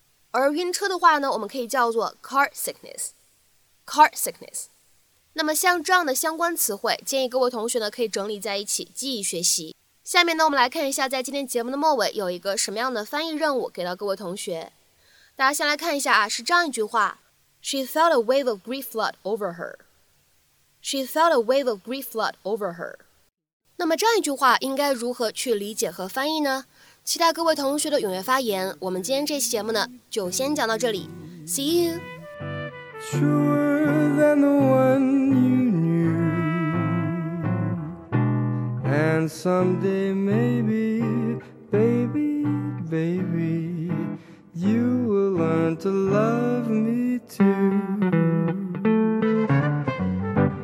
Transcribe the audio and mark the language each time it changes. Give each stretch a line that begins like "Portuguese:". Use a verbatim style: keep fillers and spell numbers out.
Chinese: 而晕车的话呢，我们可以叫做 car sickness， car sickness。那么像这样的相关词汇，建议各位同学呢可以整理在一起记忆学习。下面呢，我们来看一下在今天节目的末尾有一个什么样的翻译任务给到各位同学。大家先来看一下啊，是这样一句话
English: ：She felt a wave of grief flood over her。 She felt a wave of grief flood over her。
Chinese: 那么这样一句话应该如何去理解和翻译呢？期待各位同学的踊跃发言。我们今天这期节目呢，就先讲到这里。
English: See you. Truer than the one you knew, and someday maybe, baby, baby, you will learn to love me too.